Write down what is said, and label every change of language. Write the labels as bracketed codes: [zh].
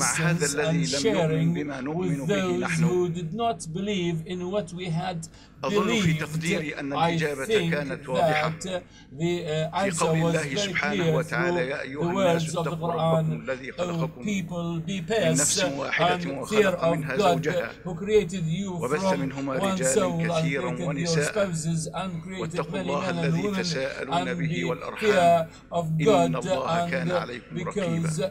[ar] مع هذا الذي لم يؤمن بما نؤمن به نحن [en] who did not believe in what we had [ar] أظن في تقديري أن الإجابة كانت واضحة في قول الله سبحانه وتعالى يا أيها الناس اتقوا ربكم الذي خلقكم من نفس واحدة وخلق منها زوجها وبث منهما رجالا كثيرا ونساء واتقوا الله الذي تساءلون به والأرحام إن الله كان عليكم رقيبا